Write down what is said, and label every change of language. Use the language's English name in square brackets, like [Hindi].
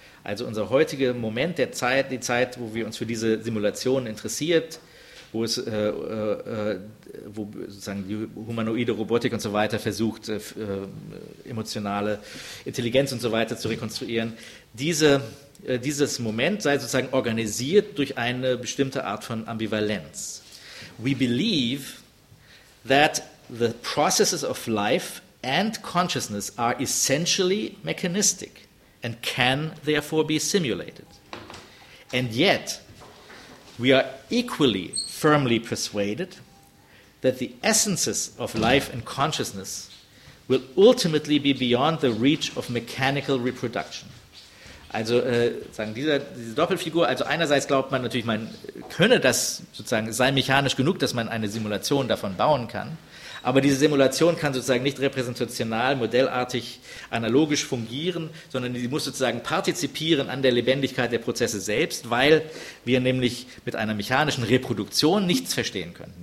[German] Also unser heutiger Moment der Zeit, die Zeit, wo wir uns für diese Simulation interessiert, wo sozusagen die humanoide Robotik und so weiter versucht, emotionale Intelligenz und so weiter zu rekonstruieren. Dieses Moment sei sozusagen organisiert durch eine bestimmte Art von Ambivalenz. [English] We believe that the processes of life and consciousness are essentially mechanistic and can therefore be simulated. And yet, we are equally firmly persuaded that the essences of life and consciousness will ultimately be beyond the reach of mechanical reproduction. [German] Also sagen diese Doppelfigur, also einerseits glaubt man natürlich, man könne das sozusagen, sei mechanisch genug, dass man eine Simulation davon bauen kann, aber diese Simulation kann sozusagen nicht repräsentational, modellartig, analogisch fungieren, sondern sie muss sozusagen partizipieren an der Lebendigkeit der Prozesse selbst, weil wir nämlich mit einer mechanischen Reproduktion nichts verstehen können.